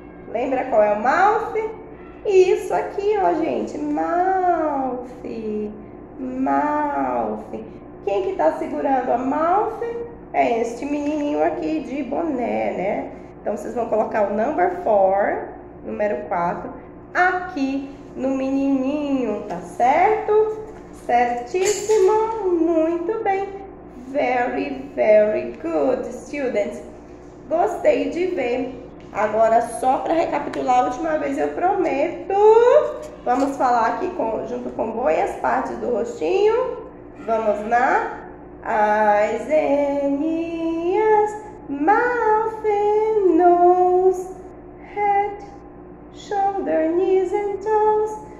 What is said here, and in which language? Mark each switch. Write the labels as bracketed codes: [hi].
[pt] Lembra qual é o mouth? Isso aqui, ó, gente, mouth, mouth. Quem que tá segurando a mouth? É este menininho aqui de boné, né? Então, vocês vão colocar o [en] number four, [pt] número 4, aqui no menininho, tá certo? Certíssimo, muito bem. [en] Very, very good, students. [pt] Gostei de ver. Agora, só para recapitular a última vez, eu prometo. Vamos falar aqui junto com boi as partes do rostinho. Vamos lá. [en] Eyes and ears, mouth and nose, head, shoulder, knees and toes.